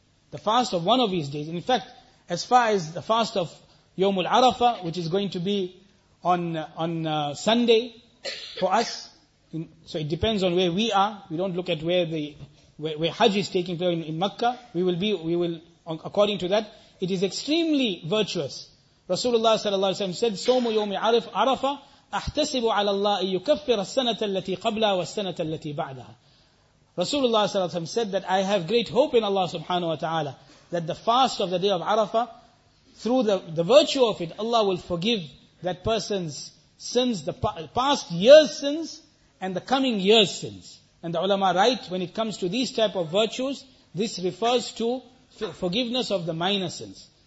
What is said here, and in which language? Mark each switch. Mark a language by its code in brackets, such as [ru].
[en] The fast of one of these days. In fact, as far as the fast of Yawmul Arafah, which is going to be on Sunday for us, so it depends on where we are. We don't look at where Hajj is taking place in Makkah. According to that, it is extremely virtuous. [ar] Rasulullah sallallahu alayhi wa sallam [en] said, [ar] Sawmu Yawmi Arafah, أحتسب على الله أن يكفر السنة التي قبلها والسنة التي بعدها. [en] Rasulullah صلى الله عليه وسلم said that I have great hope in Allah subhanahu wa ta'ala that the fast of the day of Arafah, through the virtue of it, Allah will forgive that person's sins, the past year's sins and the coming year's sins. And the ulama write, when it comes to these type of virtues, this refers to forgiveness of the minor sins.